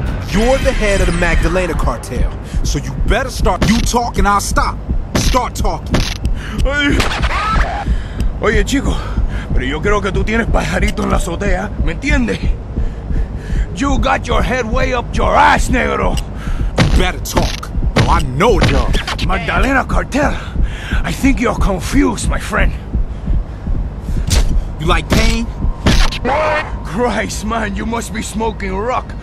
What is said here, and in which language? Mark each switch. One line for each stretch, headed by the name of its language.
English: You're the head of the Magdalena cartel, so you better start. You talk and I'll stop. Start talking.
Spanish: Oye, chico, pero yo creo que tú tienes pajarito en la azotea, ¿me entiendes?
English: You got your head way up your ass, negro. You better talk. Oh, I know it, dog. Magdalena cartel, I think you're confused, my friend. You like pain? What? Christ, man, you must be smoking rock.